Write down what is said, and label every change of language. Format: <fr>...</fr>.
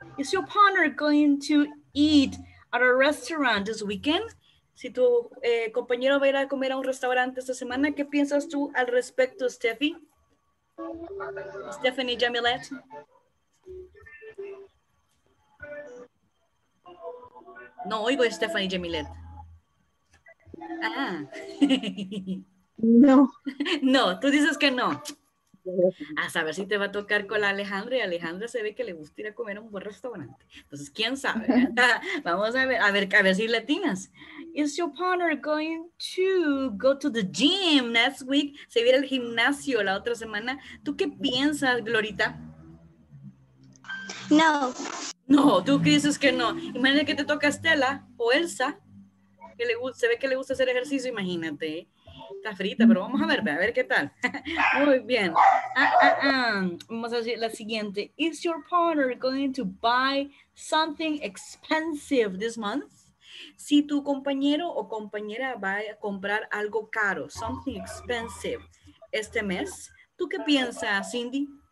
<en>Is your partner going to eat at a restaurant this weekend?</en> <es>Si tu compañero va a ir a comer a un restaurante esta semana, ¿qué piensas tú al respecto, Steffi? Stephanie Jamilet. No oigo a Stephanie Jamilet. Ah. No. No, tú dices que no. A saber si te va a tocar con la Alejandra. Y Alejandra se ve que le gusta ir a comer a un buen restaurante. Entonces, ¿quién sabe? Vamos a ver si latinas.</es> <en>Is your partner going to go to the gym next week?</en> <es>Se viene al gimnasio la otra semana. ¿Tú qué piensas, Glorita? No. No, tú dices que no. Imagínate que te toca a Estela o Elsa, que le gusta, se ve que le gusta hacer ejercicio, imagínate. Está frita, pero vamos a ver qué tal. Muy bien. Vamos a decir la siguiente.</es> <en>Is your partner going to buy something expensive this month?</en> <es>Si tu compañero o compañera va a comprar algo caro,</es> <en>something expensive,</en> <es>este mes, ¿tú qué piensas, Cindy?</es>